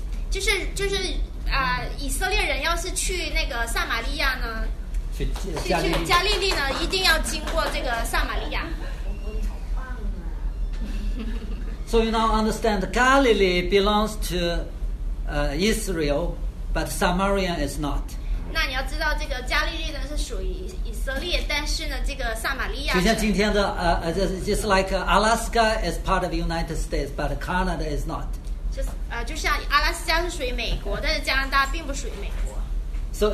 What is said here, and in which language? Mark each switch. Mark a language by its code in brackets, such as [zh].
[zh] 就是。以色列人要是去那个撒玛利亚呢，去加利利呢，一定要经过这个撒玛利亚。 [en] So you now understand Galilee belongs to Israel, but Samaria is not. [zh] 那你要知道，这个加利利呢是属于以色列，但是呢，这个撒玛利亚就像今天的 [en] just like Alaska is part of the United States, but Canada is not. [zh] 就像阿拉斯加是属于美国，但是加拿大并不属于美国。